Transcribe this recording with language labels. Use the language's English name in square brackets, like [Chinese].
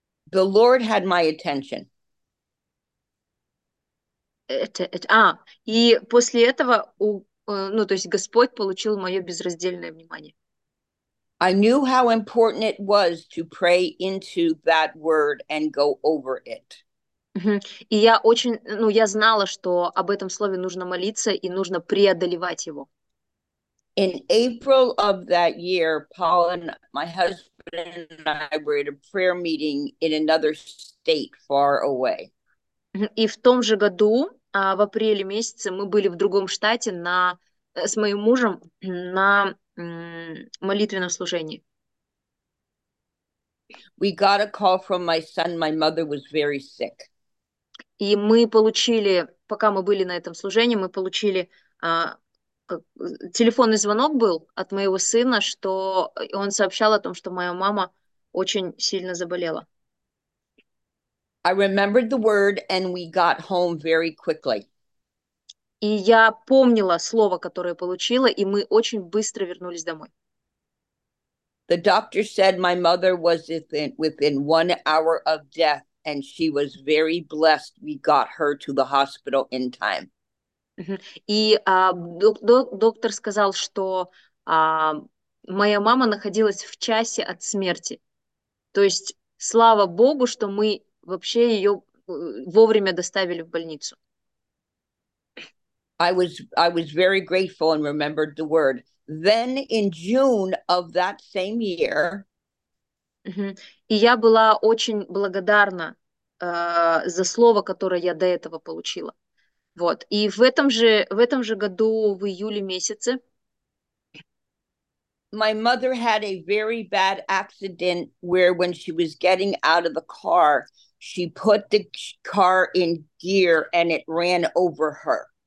[English] The Lord had my attention. [Russian] И после этого ну, то есть Господь получил мое безраздельное внимание. [English] I knew how important it was to pray into that word and go over it. [Russian] И я очень, ну, я знала, что об этом слове нужно молиться и нужно преодолевать его. [English] In April of that year, Paul and my husband and I were at a prayer meeting in another state far away. [Russian] И в том же году, в апреле месяце, мы были в другом штате с моим мужем на молитвенном служении. [English] We got a call from my son. My mother was very sick. [Russian] И мы получили, пока мы были на этом служении, мы получили телефонный звонок был от моего сына, что он сообщал о том, что моя мама очень сильно заболела. [English] I remembered the word, and we got home very quickly. [Russian] И я помнила слово, которое получила, и мы очень быстро вернулись домой. [English] The doctor said my mother was within 1 hour of death, and she was very blessed we got her to the hospital in time. [Russian] И доктор сказал, что моя мама находилась в часе от смерти. То есть, слава Богу, что мы вообще ее вовремя доставили в больницу. [English] I was very grateful and remembered the word. Then in June of that same year, [Russian] и я была очень благодарна за слово, которое я до этого получила. Вот. И в этом же году, в июле месяце, [English] my mother had a very bad accident where when she was getting out of the car, she put the car in gear and it ran over her.